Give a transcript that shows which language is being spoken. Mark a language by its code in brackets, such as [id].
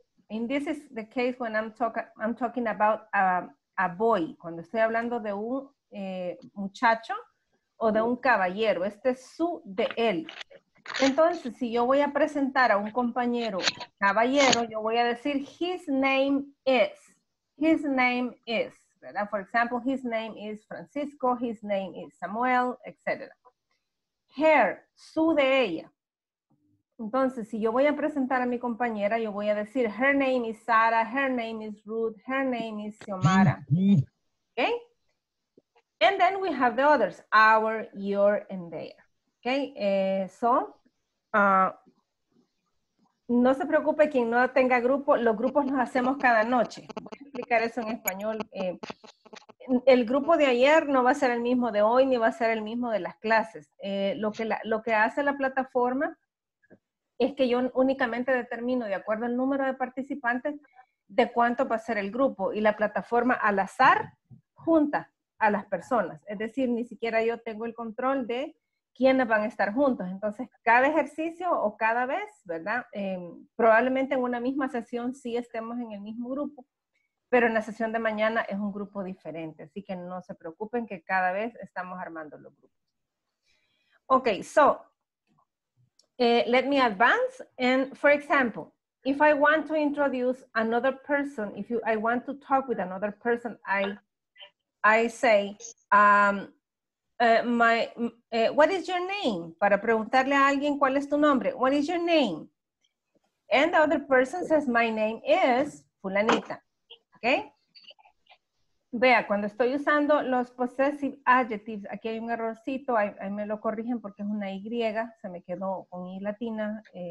[en] And this is the case when I'm talking about a boy. [es] Cuando estoy hablando de un muchacho o de un caballero. Este es su, de él. Entonces, si yo voy a presentar a un compañero caballero, yo voy a decir [en] his name is. His name is. ¿Verdad? For example, his name is Francisco, his name is Samuel, etc. [es] Her, su de ella. Entonces, si yo voy a presentar a mi compañera, yo voy a decir [en] her name is Sara, her name is Ruth, her name is Xiomara. Okay? And then we have the others, our, your, and their. Okay? [es] No se preocupe quien no tenga grupo, los grupos los hacemos cada noche. Voy a explicar eso en español. El grupo de ayer no va a ser el mismo de hoy, ni va a ser el mismo de las clases. Lo que hace la plataforma es que yo únicamente determino, de acuerdo al número de participantes, de cuánto va a ser el grupo. Y la plataforma al azar junta a las personas. Es decir, ni siquiera yo tengo el control de quiénes van a estar juntos. Entonces, cada ejercicio o cada vez, ¿verdad? Probablemente en una misma sesión sí estemos en el mismo grupo, pero en la sesión de mañana es un grupo diferente. Así que no se preocupen que cada vez estamos armando los grupos. [en] Ok, so, let me advance. And for example, if I want to introduce another person, I want to talk with another person, I say, what is your name? [es] Para preguntarle a alguien, ¿cuál es tu nombre? [en] What is your name? And the other person says, my name is fulanita. Okay? [es] Vea, cuando estoy usando los possessive adjectives, aquí hay un errorcito, ahí me lo corrigen porque es una Y, se me quedó con Y latina.